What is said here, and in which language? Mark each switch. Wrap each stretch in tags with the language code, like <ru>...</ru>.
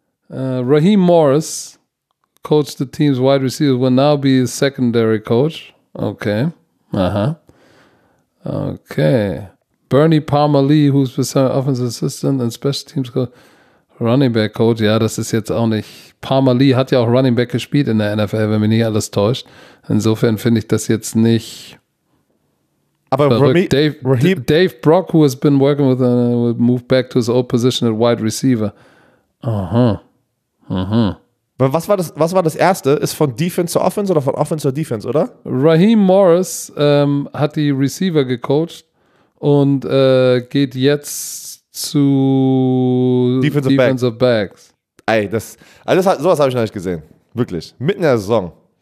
<en>Raheem Morris coached the team's wide receiver, will now be a secondary coach. Okay. Aha. Okay. Bernie Palmer Lee, who's the offensive assistant and special teams coach.</en> <de>Running Back Coach, ja, das ist jetzt auch nicht. Palmer Lee hat ja auch Running Back gespielt in der NFL, wenn mich nicht alles täuscht. Insofern finde ich das jetzt nicht. Aber</de> <en>Dave Brock, who has been working with, will move back to his old position at wide receiver. Aha. Aha.</en> <de>Aber was war das erste? Ist von Defense zu Offense oder von Offense zu Defense, oder? Raheem Morris hat die Receiver gecoacht und geht jetzt zu Defensive Backs. Ey, sowas habe ich noch nicht gesehen. Wirklich. Mitten in der Saison.</de>